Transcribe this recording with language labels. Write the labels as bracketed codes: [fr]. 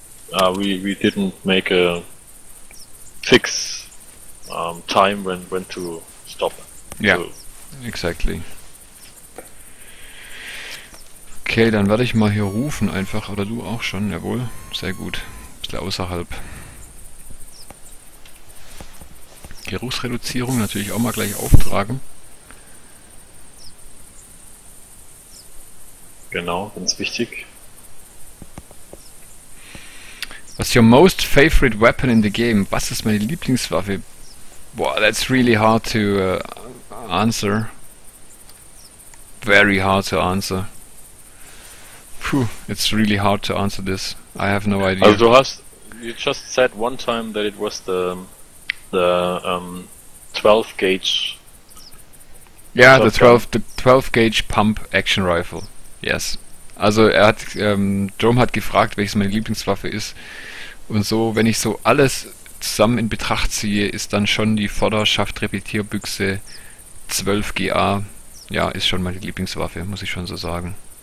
[en] We didn't make a fix time when to stop. Yeah, so. Exactly. [de] Okay, dann werde ich mal hier rufen einfach, oder du auch schon, jawohl, sehr gut, ein bisschen außerhalb. Geruchsreduzierung natürlich auch mal gleich auftragen. Genau, ganz wichtig. [en] What's your most favorite weapon in the game? [de] Was ist meine Lieblingswaffe? Boah, [en] that's really hard to answer. Very hard to answer. Puh, it's really hard to answer this. I have no idea. Also, you just said one time that it was the 12 gauge. Yeah, the 12 gauge pump action rifle. Yes. [de] Also, Jerome hat gefragt, welches meine Lieblingswaffe ist. Und so, wenn ich so alles zusammen in Betracht ziehe, ist dann schon die Vorderschaft-Repetierbüchse 12 GA. Ja, ist schon meine Lieblingswaffe, muss ich schon so sagen.